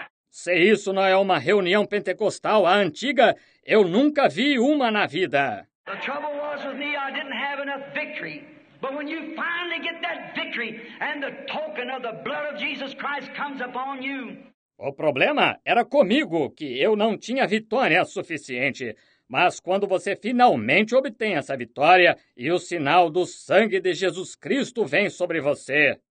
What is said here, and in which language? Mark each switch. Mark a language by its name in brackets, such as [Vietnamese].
[Portuguese] Se isso não é uma reunião pentecostal à antiga, eu nunca vi uma na vida. [English] The trouble was with me, I didn't have enough victory. But when you finally get that victory and the token of the blood of Jesus Christ comes upon you. [Portuguese] O problema era comigo, que eu não tinha vitória suficiente. Mas quando você finalmente obtém essa vitória e o sinal do sangue de Jesus Cristo vem sobre você.